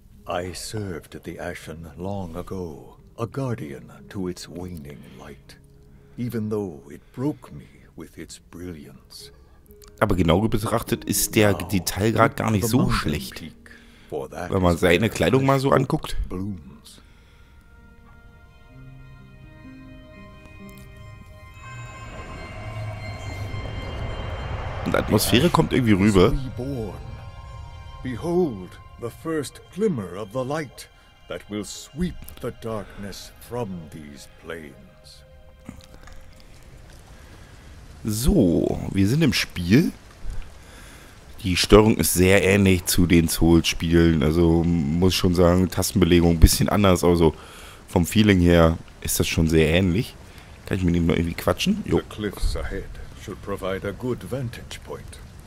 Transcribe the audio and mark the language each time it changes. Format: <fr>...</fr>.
<en>I served the Ashen long ago, a guardian to its waning light, even though it broke me with its brilliance.</en> <de>Aber genau betrachtet ist der Detailgrad gar nicht so schlecht. Wenn man seine Kleidung mal so anguckt. Und die Atmosphäre kommt irgendwie rüber.</de> <en>Behold the first glimmer of the light that will sweep the darkness from these plains.</en> <de>So, wir sind im Spiel. Die Steuerung ist sehr ähnlich zu den Souls-Spielen. Also muss ich schon sagen, Tastenbelegung ein bisschen anders. Also vom Feeling her ist das schon sehr ähnlich. Kann ich mit ihm mal irgendwie quatschen? Jo.</de> <en>The cliffs ahead should provide a good vantage point.</en>